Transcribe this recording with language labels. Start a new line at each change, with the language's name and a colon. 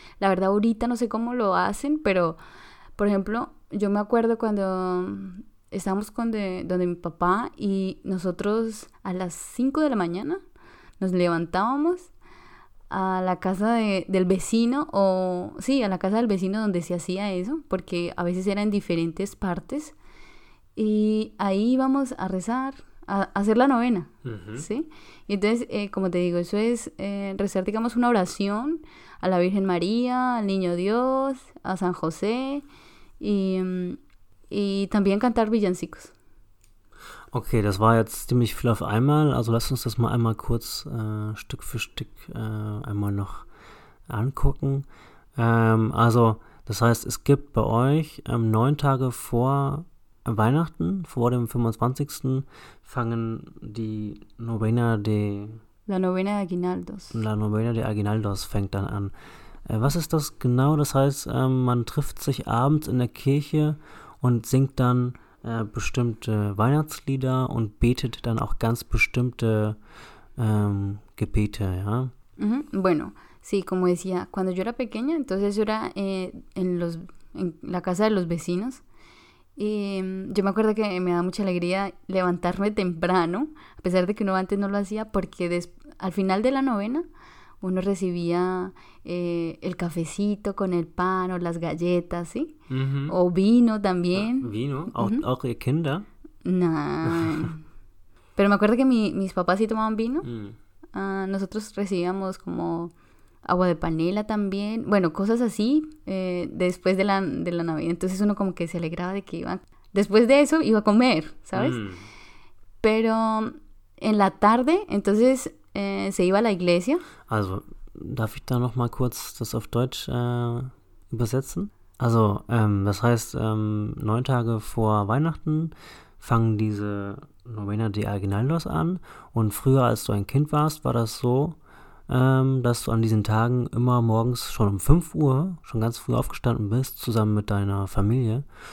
Spanish: La verdad ahorita no sé cómo lo hacen, pero por ejemplo, yo me acuerdo cuando estábamos donde mi papá y nosotros a las 5 de la mañana nos levantábamos a la casa del vecino o sí, a la casa del vecino donde se hacía eso, porque a veces era en diferentes partes y ahí íbamos a rezar. A hacer la novena, ¿sí? Y entonces, como te digo, eso es rezar, digamos, una oración a la Virgen María, al Niño Dios, a San José y también cantar villancicos.
German: Okay, das war jetzt ziemlich viel auf einmal, also lass uns das mal einmal kurz Stück für Stück einmal noch angucken. Also, das heißt, es gibt bei euch 9 Tage vor Weihnachten, vor dem 25. fangen die Novena de...
Spanish: La Novena de Aguinaldos.
German: La Novena de Aguinaldos fängt dann an. Was ist das genau? Das heißt, man trifft sich abends in der Kirche und singt dann bestimmte Weihnachtslieder und betet dann auch ganz bestimmte Gebete, ja?
Spanish: Bueno, sí, como decía, cuando yo era pequeña, entonces yo era en la casa de los vecinos. Y yo me acuerdo que me da mucha alegría levantarme temprano, a pesar de que uno antes no lo hacía, porque al final de la novena uno recibía el cafecito con el pan o las galletas, ¿sí? O vino también.
German: ¿Vino? ¿Auch ihr Kinder?
Spanish: No. Pero me acuerdo que mis papás sí tomaban vino. Nosotros recibíamos como agua de panela también, bueno, cosas así, después de la Navidad. Entonces uno como que se alegraba de que iba, después de eso iba a comer, ¿sabes? Pero en la tarde, entonces se iba a la iglesia.
German: Also, darf ich da noch mal kurz das auf Deutsch übersetzen? Also, das heißt, 9 Tage vor Weihnachten fangen diese Novena de Aguinaldos an. Und früher, als du ein Kind warst, war das so, dass du an diesen Tagen immer morgens schon um 5 Uhr, schon ganz früh aufgestanden bist, zusammen mit deiner Familie.